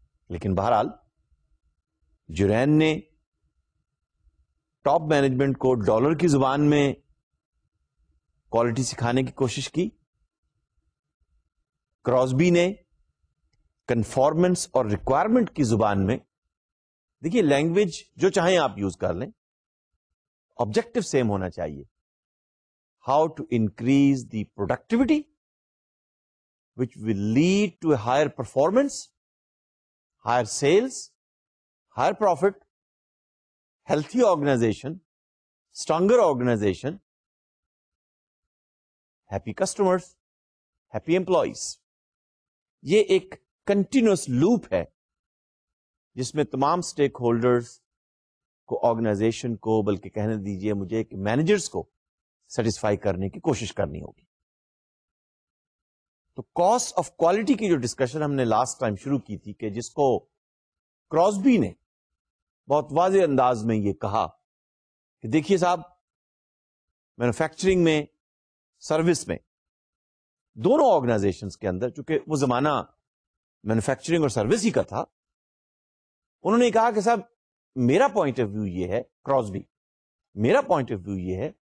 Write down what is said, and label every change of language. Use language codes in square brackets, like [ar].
[ur] لیکن بہرحال جورین نے ٹاپ مینجمنٹ کو ڈالر کی زبان میں کوالٹی سکھانے کی کوشش کی. کراسبی نے کنفارمنس اور ریکوائرمنٹ کی زبان میں، دیکھیے لینگویج جو چاہیں آپ یوز کر لیں، آبجیکٹو سیم ہونا چاہیے. [en] How to increase the productivity which will lead to a higher performance, higher sales, higher profit, healthy organization, stronger organization, happy customers, happy employees. [ur] یہ ایک continuous loop ہے جس میں تمام stakeholders کو، organization کو، بلکہ کہنے دیجئے مجھے کہ managers کو سیٹسفائی کرنے کی کوشش کرنی ہوگی. تو کاسٹ آف کوالٹی کی جو ڈسکشن ہم نے لاسٹ ٹائم شروع کی تھی، کہ جس کو کراسبی نے بہت واضح انداز میں یہ کہا کہ دیکھیے صاحب، مینوفیکچرنگ میں، سروس میں، دونوں آرگنائزیشنز کے اندر، چونکہ وہ زمانہ مینوفیکچرنگ اور سروس ہی کا تھا، انہوں نے کہا کہ صاحب میرا پوائنٹ آف ویو یہ ہے، کراسبی، میرا پوائنٹ آف ویو یہ ہے